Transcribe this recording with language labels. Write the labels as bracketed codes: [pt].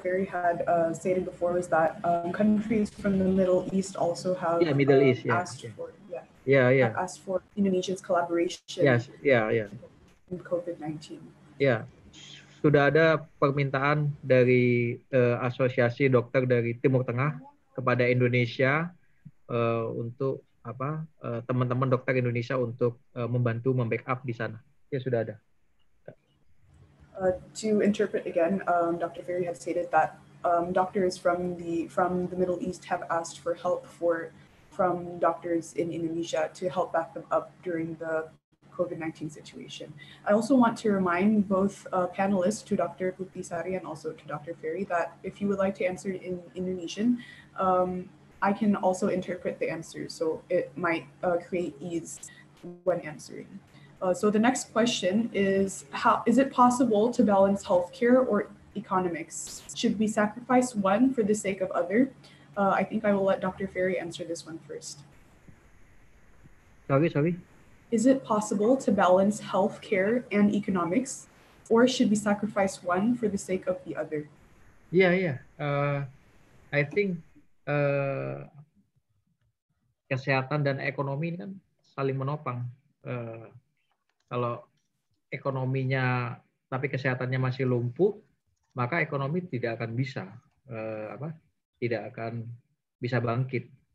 [en] Ferry had stated before was that countries from the Middle East also have asked for Indonesia's collaboration. Yes. COVID-19. Yeah. [id] Sudah ada permintaan dari asosiasi dokter dari Timur Tengah kepada Indonesia untuk teman-teman dokter Indonesia untuk membantu membackup di sana. Ya sudah ada. [en] To interpret again, Dr. Ferry has stated that doctors from the Middle East have asked for help from doctors in Indonesia to help back them up during the COVID-19 situation. I also want to remind both panelists, to Dr. Puti Sari and also to Dr. Ferry, that if you would like to answer in Indonesian, I can also interpret the answer, so it might create ease when answering. So the next question is, is it possible to balance healthcare or economics? Should we sacrifice one for the sake of other? I think I will let Dr. Ferry answer this one first. Sorry. Is it possible to balance healthcare and economics, or should we sacrifice one for the sake of the other? Yeah. I think [id] kesehatan dan ekonomi ini kan saling menopang. Kalau ekonominya tapi kesehatannya masih lumpuh, maka ekonomi tidak akan bisa bangkit.